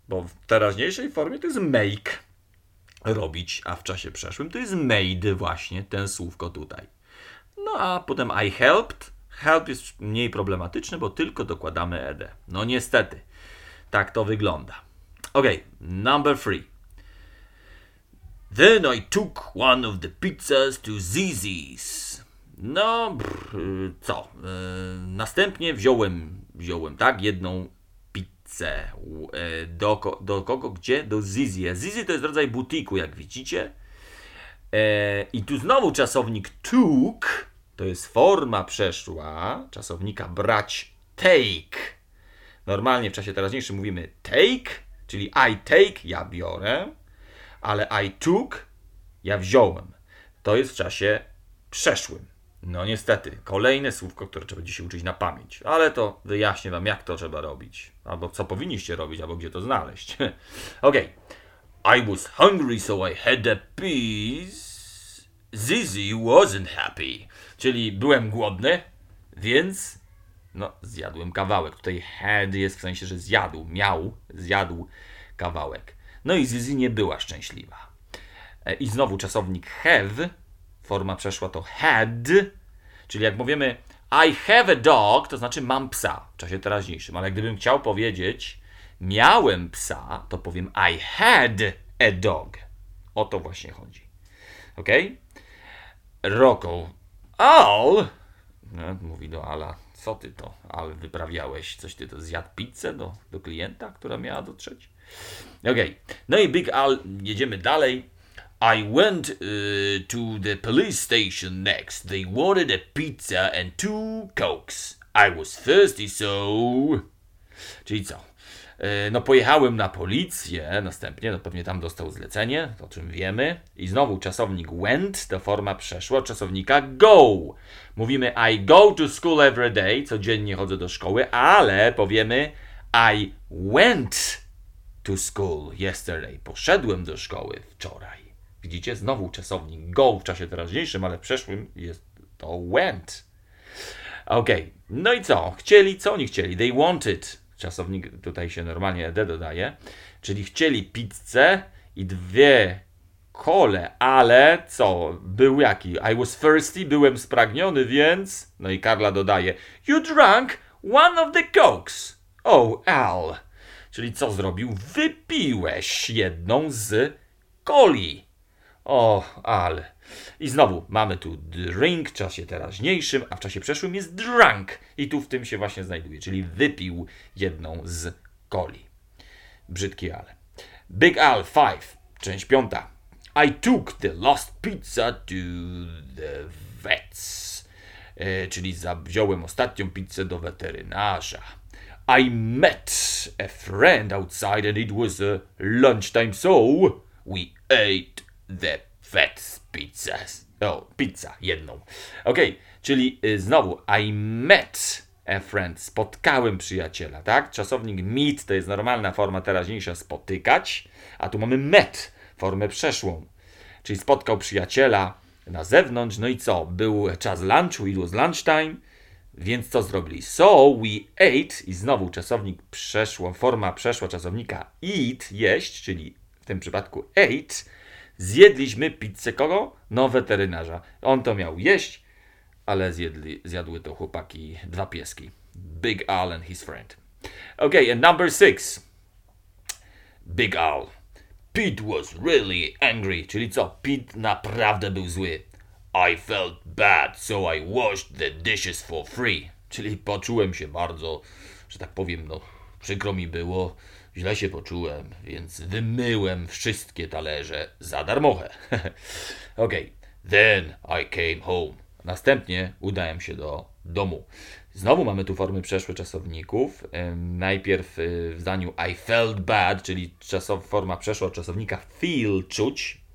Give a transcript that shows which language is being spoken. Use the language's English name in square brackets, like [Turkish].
[Polish] Bo w teraźniejszej formie to jest make, robić, a w czasie przeszłym to jest made właśnie, ten słówko tutaj. No a potem [English] I helped. [Polish] Help jest mniej problematyczny, bo tylko dokładamy ed. No niestety, tak to wygląda. [English] Ok, number three. Then I took one of the pizzas to Zizi's. [Polish] No, co? Następnie wziąłem, tak, jedną pizzę. Do kogo? Gdzie? Do Zizi. Zizi to jest rodzaj butiku, jak widzicie. I tu znowu czasownik took, to jest forma przeszła, czasownika brać, take. Normalnie w czasie teraźniejszym mówimy take, czyli [English] I take, [Polish] ja biorę. Ale [English] I took, [Polish] ja wziąłem. To jest w czasie przeszłym. No niestety, kolejne słówko, które trzeba dzisiaj uczyć na pamięć. Ale to wyjaśnię wam, jak to trzeba robić. Albo co powinniście robić, albo gdzie to znaleźć. Ok. [English] I was hungry, so I had a piece. Zizi wasn't happy. [Polish] Czyli byłem głodny, więc no, zjadłem kawałek. Tutaj had jest w sensie, że zjadł, miał, zjadł kawałek. No i Zizi nie była szczęśliwa. I znowu czasownik have, forma przeszła to had, czyli jak mówimy [English] I have a dog, [Polish] to znaczy mam psa w czasie teraźniejszym, ale gdybym chciał powiedzieć miałem psa, to powiem [English] I had a dog. [Polish] O to właśnie chodzi. Ok? Rocco, Al, no, mówi do Ala, co ty to, Al, wyprawiałeś, coś ty to, zjadł pizzę do klienta, która miała dotrzeć? Ok, no i Big Al, jedziemy dalej. [English] I went to the police station next. They wanted a pizza and two cokes. I was thirsty, so... [Polish] Czyli co? No pojechałem na policję, następnie, no pewnie tam dostał zlecenie, o czym wiemy. I znowu czasownik went, to forma przeszła czasownika go. Mówimy [English] I go to school every day, [Polish] codziennie chodzę do szkoły, ale powiemy [English] I went to school yesterday, [Polish] poszedłem do szkoły wczoraj. Widzicie, znowu czasownik go w czasie teraźniejszym, ale w przeszłym jest to went. Okej, okay. No i co? Chcieli, co oni chcieli? [English] They wanted. [Polish] Czasownik tutaj się normalnie ed dodaje. Czyli chcieli pizzę i dwie kole, ale co? Był jaki? [English] I was thirsty, [Polish] byłem spragniony, więc... No i Karla dodaje. [English] You drank one of the cokes. Oh, Al. [Polish] Czyli co zrobił? Wypiłeś jedną z coli. Oh, Al. I znowu mamy tu drink w czasie teraźniejszym, a w czasie przeszłym jest drunk. I tu w tym się właśnie znajduje, czyli wypił jedną z coli. Brzydki ale. Big Al 5, część piąta. [English] I took the lost pizza to the vets. [Polish] Czyli wziąłem ostatnią pizzę do weterynarza. [English] I met a friend outside and it was lunchtime, so we ate the vets. [Polish] Pizza. O, pizza, jedną. Okej, okay, czyli znowu, [English] I met a friend, [Polish] spotkałem przyjaciela, tak? Czasownik meet to jest normalna forma teraźniejsza, spotykać, a tu mamy met, formę przeszłą. Czyli spotkał przyjaciela na zewnątrz, no i co? Był czas lunchu, [English] it was lunchtime, [Polish] więc co zrobili? [English] So we ate, [Polish] i znowu czasownik przeszłą, forma przeszła czasownika eat, jeść, czyli w tym przypadku ate, zjedliśmy pizzę kogo? No, weterynarza. On to miał jeść, ale zjadły to chłopaki dwa pieski. [English] Big Al and his friend. Okay, and number six. Big Al. Pete was really angry. [Polish] Czyli co? Pete naprawdę był zły. [English] I felt bad, so I washed the dishes for free. [Polish] Czyli poczułem się bardzo, że tak powiem, no, przykro mi było. Źle się poczułem, więc wymyłem wszystkie talerze za darmoche. Okej. Okay. [English] Then I came home. [Polish] Następnie udałem się do domu. Znowu mamy tu formy przeszłe czasowników. Najpierw w zdaniu [English] I felt bad, [Polish] czyli forma przeszła czasownika feel, czuć.